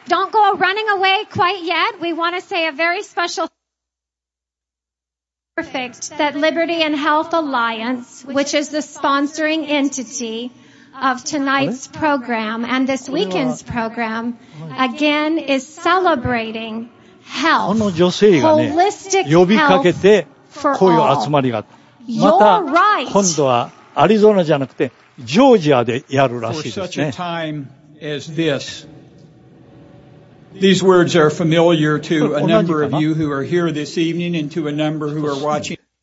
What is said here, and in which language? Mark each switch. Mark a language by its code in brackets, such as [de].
[en] Don't go running away quite yet. We want to say a very special perfect that Liberty and Health Alliance, which is the sponsoring entity of tonight's program and this weekend's program, again is celebrating health, holistic health for all. You're right. [ja] また今度はアリゾナじゃなくてジョージアでやるらしいですね。 [en] is this. These words are familiar to a number of you who are here this evening and to a number who are watching.